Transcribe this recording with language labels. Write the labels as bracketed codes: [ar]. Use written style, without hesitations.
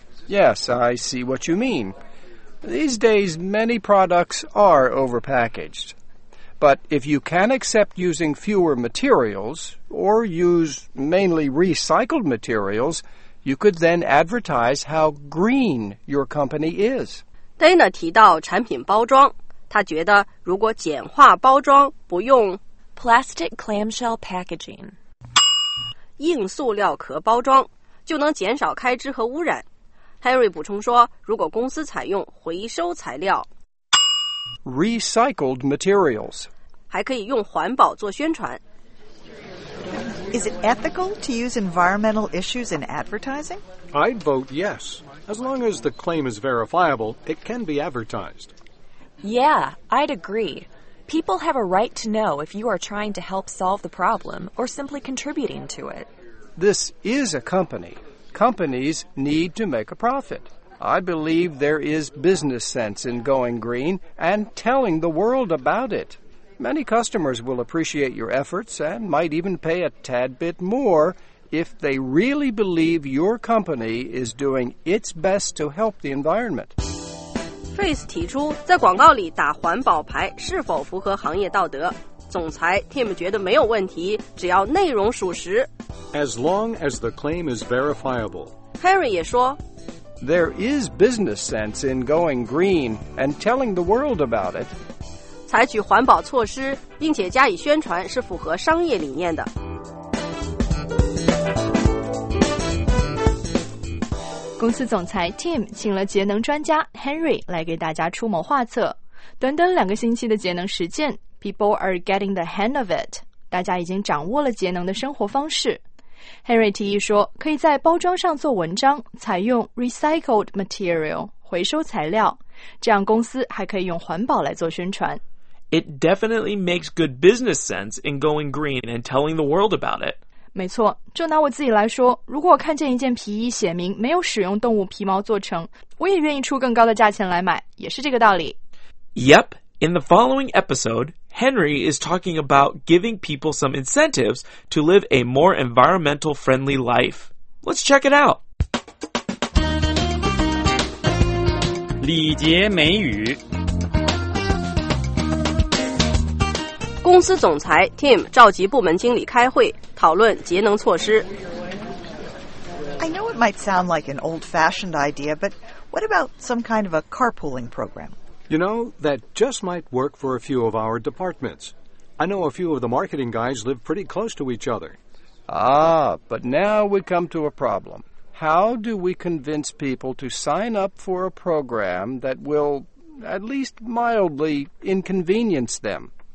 [en] Yes, I see what you mean. These days, many products are overpackaged. But if you can accept using fewer materials, or use mainly recycled materials, you could then advertise how green your company is. [zh] Dana 提到产品包装，他觉得如果简化包装，不用 [en] plastic clamshell packaging [zh] 硬塑料壳包装，就能减少开支和污染。 Henry 补充说，如果公司采用回收材料 [en] recycled materials， [zh] 还可以用环保做宣传。 [en] Is it ethical to use environmental issues in advertising? I'd vote yes. As long as the claim is verifiable, it can be advertised. Yeah, I'd agree. People have a right to know if you are trying to help solve the problem or simply contributing to it. This is a company. Companies need to make a profit. I believe there is business sense in going green and telling the world about it. Many customers will appreciate your efforts and might even pay a tad bit more if they really believe your company is doing its best to help the environment. [zh] Face 提出，在广告里打环保牌是否符合行业道德？总裁 Tim 觉得没有问题，只要内容属实。 [en] As long as the claim is verifiable. [zh] Harry 也说 [en] ，There is business sense in going green and telling the world about it. [zh] 采取环保措施并且加以宣传是符合商业理念的。公司总裁 Tim 请了节能专家 Henry 来给大家出谋划策。短短两个星期的节能实践， [en] People are getting the hang of it， [zh] 大家已经掌握了节能的生活方式。 Henry 提议说，可以在包装上做文章，采用 recycled material 回收材料，这样公司还可以用环保来做宣传。 [en] It definitely makes good business sense in going green and telling the world about it. [zh] 没错，就拿我自己来说，如果我看见一件皮衣写明没有使用动物皮毛做成，我也愿意出更高的价钱来买，也是这个道理。 [en] Yep, in the following episode, Henry is talking about giving people some incentives to live a more environmental friendly life. Let's check it out. [zh] 礼节美语公司总裁 Tim 召集部门经理开会，讨论节能措施。 [en] I know it might sound like an old-fashioned idea, but what about some kind of a carpooling program? You know, that just might work for a few of our departments. I know a few of the marketing guys live pretty close to each other. Ah, but now we come to a problem. How do we convince people to sign up for a program that will, at least mildly, inconvenience them?